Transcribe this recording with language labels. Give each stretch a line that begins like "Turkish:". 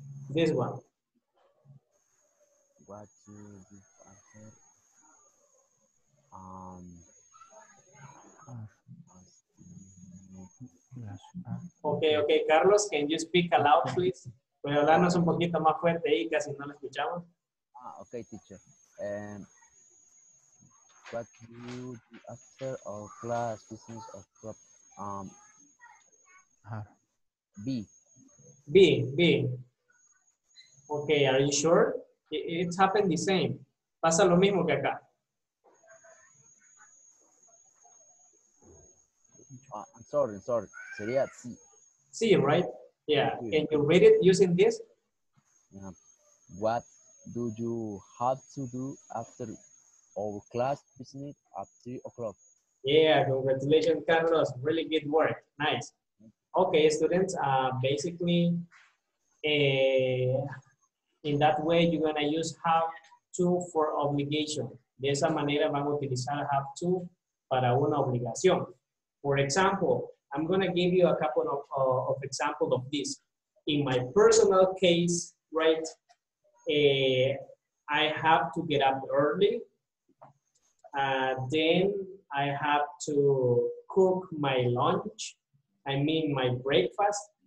English: This one. What do you answer? Okay, okay, Carlos, can you speak aloud, please?
Spanish: Puede hablarnos un poquito más fuerte ahí, casi no lo escuchamos.
English: Ah, okay, teacher. What do you do after our class, business or club? B. Okay, are you sure? It happened the same.
Spanish: Pasa lo mismo que acá.
English: I'm sorry.
Spanish: Sería C.
English: C, right? Yeah. Can you read it using this? What do you have to do after our class business at 3 o'clock? Yeah, congratulations, Carlos. Really good work. Nice. Okay, students, basically, in that way, you're going to use have to for obligation.
Spanish: De esa manera, van a utilizar have to para una obligación.
English: For example, I'm going to give you a couple of examples of this. In my personal case, right, I have to get up early. Then I have to cook my lunch, I mean my breakfast.